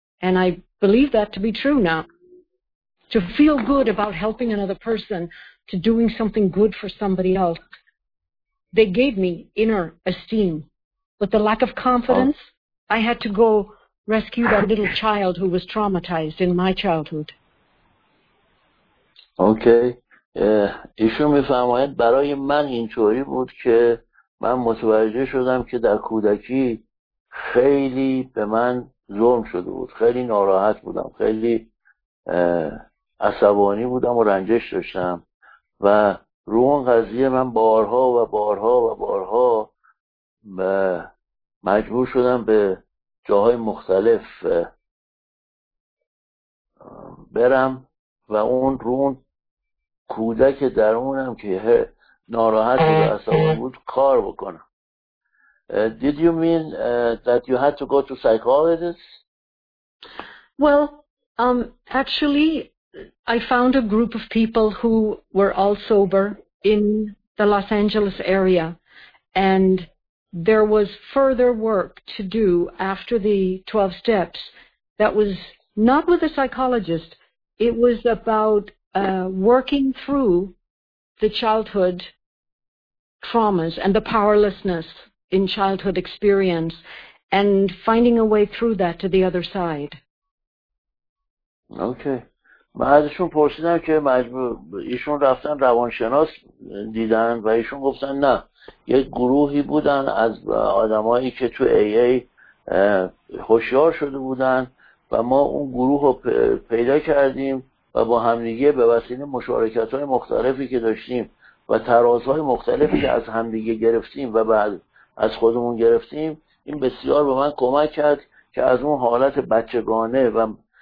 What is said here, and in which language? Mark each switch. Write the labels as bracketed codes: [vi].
[en] And I believe that to be true now. To feel good about helping another person, to doing something good for somebody else, they gave me inner esteem. But the lack of confidence, I had to go rescue that little child who was traumatized in my childhood. Okay. [fa] ایشون میفرماید برای من اینطوری بود که من متوجه شدم که در کودکی خیلی به من ظلم شده بود، خیلی ناراحت بودم، خیلی عصبانی بودم و رنجش داشتم و رو اون قضیه من بارها و بارها و بارها مجبور شدم به جاهای مختلف برم و اون رون کودک درونم که ناراحت و عصبانی بود کار بکنم. [en] Did you mean that you had to go to psychologists? Well, actually, I found a group of people who were all sober in the Los Angeles area, and there was further work to do after the 12 steps that was not with a psychologist. It was about working through the childhood traumas and the powerlessness in childhood experience and finding a way through that to the other side. Okay. [fa] بعدشون پرسیدم که مجبور ایشون رفتن روانشناس دیدن و ایشون گفتن نه، یک گروهی بودن از آدمایی که تو ای ای هوشیار شده بودن و ما اون گروه رو پیدا کردیم و با همدیگه به وسیله مشارکت‌های مختلفی که داشتیم و ترازهای مختلفی که از همدیگه گرفتیم و بعد از خودمون گرفتیم، این بسیار به من کمک کرد که از اون حالت بچگانه و